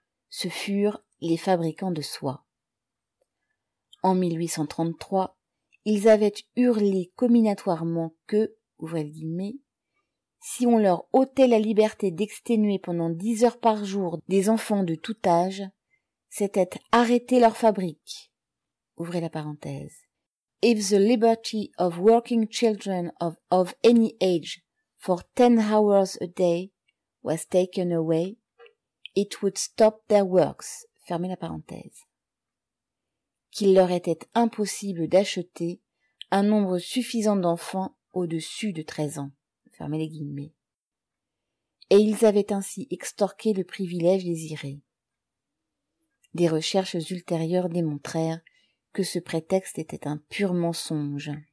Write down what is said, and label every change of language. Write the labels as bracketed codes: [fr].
[fr] Ce furent les fabricants de soie. En 1833, ils avaient hurlé comminatoirement que, ouvrez les guillemets, si on leur ôtait la liberté d'exténuer pendant 10 heures par jour des enfants de tout âge, c'était arrêter leur fabrique. Ouvrez la parenthèse. [en] If the liberty of working children of any age for 10 hours a day was taken away, it would stop their works. [fr] Fermez la parenthèse. Qu'il leur était impossible d'acheter un nombre suffisant d'enfants au-dessus de 13 ans. Fermez les guillemets. Et ils avaient ainsi extorqué le privilège désiré. Des recherches ultérieures démontrèrent que ce prétexte était un pur mensonge.